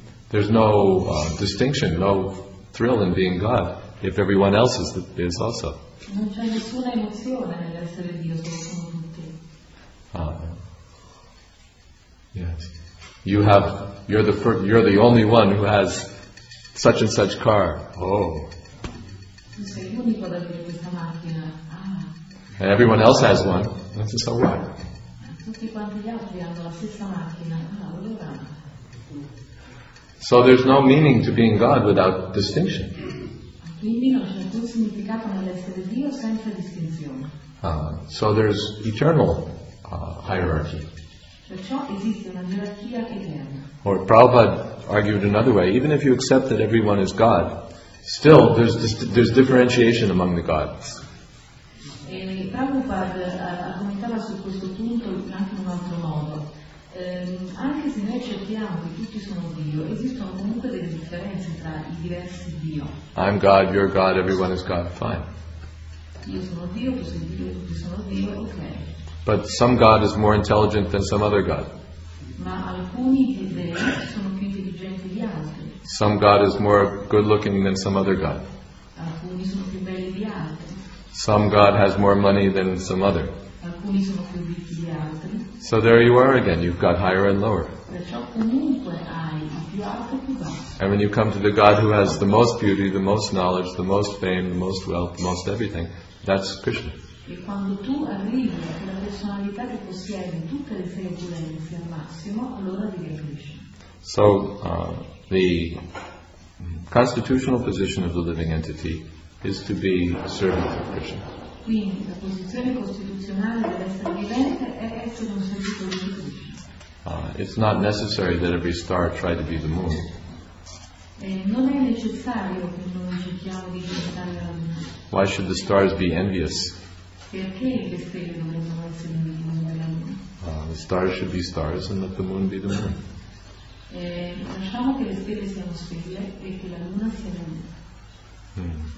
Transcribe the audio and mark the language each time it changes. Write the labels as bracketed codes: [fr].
[en] there's no distinction, no thrill in being God. If everyone else is also. [it] Non c'è nessuna emozione nell'essere Dio, solo sono tutti. [en] Yes. You're the only one who has such and such car. Oh. [it] Tu sei l'unico ad avere questa macchina. [en] And everyone else has one. That's just so what? [it] Tutti quanti gli altri hanno la stessa macchina. Allora. [en] So there's no meaning to being God without distinction. [it] Quindi non c'è alcun significato nell'essere Dio senza distinzione. [en] So there's eternal hierarchy. [it] Perciò esiste una gerarchia eterna. [en] Or Prabhupada argued another way, even if you accept that everyone is God, still there's differentiation among the gods. [it] E Prabhupada argomentava su questo punto anche in un altro modo. Anche se noi accettiamo che tutti sono Dio, esistono comunque delle differenze tra i diversi Dio. [en] I'm God, you're God, everyone is God, fine. [it] Io sono Dio, tu sei Dio, tutti sono Dio, ok. [en] But some God is more intelligent than some other God. [it] Ma alcuni di loro sono più intelligenti di altri. [en] Some God is more good looking than some other God. [it] Alcuni sono più belli di altri. [en] Some God has more money than some other. [it] Alcuni sono più ricchi di altri. [en] So there you are again, you've got higher and lower. [it] Perciò comunque hai il più alto e più basso. [en] And when you come to the God who has the most beauty, the most knowledge, the most fame, the most wealth, the most everything, that's Krishna. [it] E quando tu arrivi alla personalità che possiede tutte le sei opulenze al massimo, allora diventi Krishna. [en] So the constitutional position of the living entity is to be a servant of Krishna. [it] Quindi la posizione costituzionale dell'essere vivente è essere un servitore di Krishna. [en] It's not necessary that every star try to be the moon. [it] Non è necessario che noi cerchiamo di diventare la luna. [en] Why should the stars be envious? [it] Perché le stelle dovrebbero essere la luna? [en] The stars should be stars and let the moon be the moon. [it] Lasciamo che le stelle siano stelle e che la luna sia la luna.